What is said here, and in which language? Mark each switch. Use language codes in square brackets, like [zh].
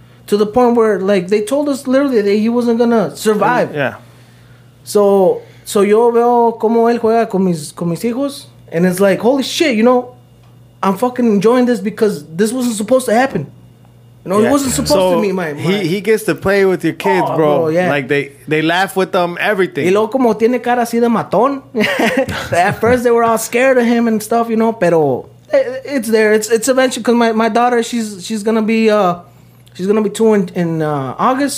[en] To the point where, like, they told us literally that he wasn't going to survive. Yeah. So yo veo como él juega con mis hijos, and it's like, holy shit, you know? I'm fucking enjoying this because this wasn't supposed to happen. You know, it wasn't supposed to be my... He gets to play with your kids, bro. Bro, yeah. Like, they laugh with them, everything. [es] Y luego como tiene cara así de matón. [en] At first, they were all scared of him and stuff, you know. Pero it's there. It's eventually... Because my daughter, she's going to be two in August.